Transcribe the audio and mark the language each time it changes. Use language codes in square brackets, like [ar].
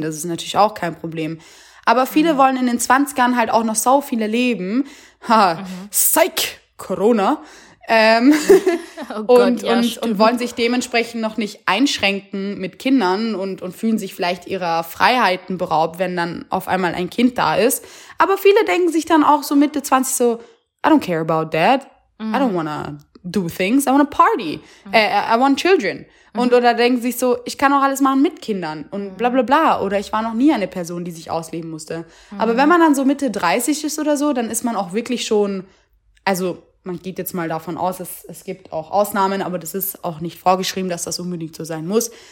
[de] Das ist natürlich auch kein Problem. Aber viele wollen in den 20ern halt auch noch sau viele leben. Ha, psych, Corona. Und wollen sich dementsprechend noch nicht einschränken mit Kindern und fühlen sich vielleicht ihrer Freiheiten beraubt, wenn dann auf einmal ein Kind da ist. Aber viele denken sich dann auch so Mitte 20 so, [en] I don't care about that. I don't wanna do things. I wanna party. I want children. [de] Und oder denken sich so, ich kann auch alles machen mit Kindern und bla bla bla. Oder ich war noch nie eine Person, die sich ausleben musste. Aber wenn man dann so Mitte 30 ist oder so, dann ist man auch wirklich schon, also man geht jetzt mal davon aus, es gibt auch Ausnahmen, aber das ist auch nicht vorgeschrieben, dass das unbedingt so sein muss.